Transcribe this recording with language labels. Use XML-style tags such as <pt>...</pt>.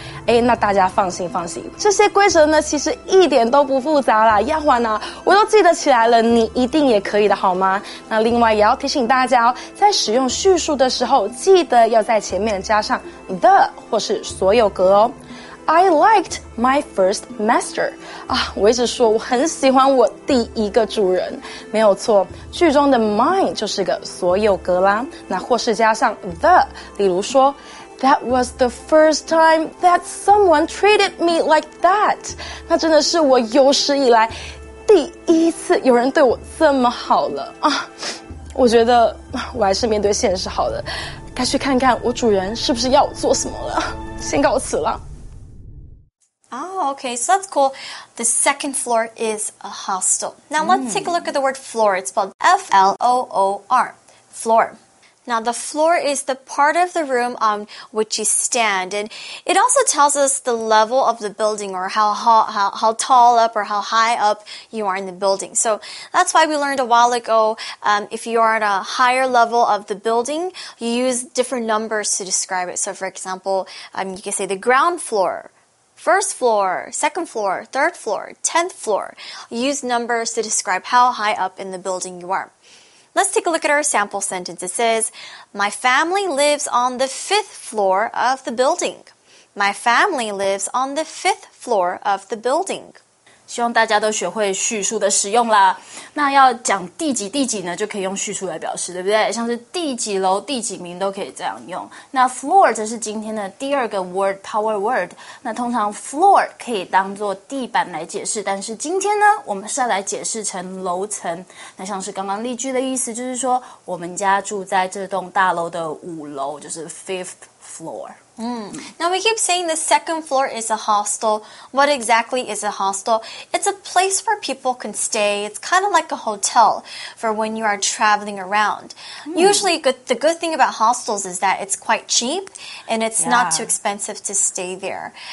<zh>哎，那大家放心放心，这些规则呢其实一点都不复杂啦，要还啊我都记得起来了，你一定也可以的好吗？那另外也要提醒大家哦，在使用序数的时候记得要在前面加上 the 或是所有格哦。 I liked my first master 啊，我一直说我很喜欢我第一个主人，没有错，句中的 my 就是个所有格啦，那或是加上 the， 例如说 That was the first time that someone treated me like that. 那真的是我有史以来第一次有人对我这么好了啊！我觉得我还是面对现实好了，该去看看我主人是不是要我做什么了。先告辞了。</zh> <en>Oh, okay, so that's cool. The second floor is a hostel. Now let's take a look at the word floor. It's spelled F-L-O-O-R, floor. Now, the floor is the part of the room on which you stand, and it also tells us the level of the building or how tall up or how high up you are in the building. So that's why we learned a while ago, if you are at a higher level of the building, you use different numbers to describe it. So, for example, you can say the ground floor. First floor, second floor, third floor, 10th floor. Use numbers to describe how high up in the building you are. Let's take a look at our sample sentence. It says, My family lives on the fifth floor of the building. My family lives on the fifth floor of the building.</en> <zh>希望大家都学会序数的使用啦。那要讲第几第几呢，就可以用序数来表示，对不对？像是第几楼第几名都可以这样用。那 floor 则是今天的第二个 word power word。那通常 floor 可以当作地板来解释，但是今天呢，我们是要来解释成楼层。那像是刚刚例句的意思，就是说我们家住在这栋大楼的五楼，就是 fifth floor。</zh> <en>Now we keep saying the second floor is a hostel. What exactly is a hostel? It's a place where people can stay. It's kind of like a hotel for when you are traveling around. Usually, the good thing about hostels is that it's quite cheap and it's not too expensive to stay there.</en>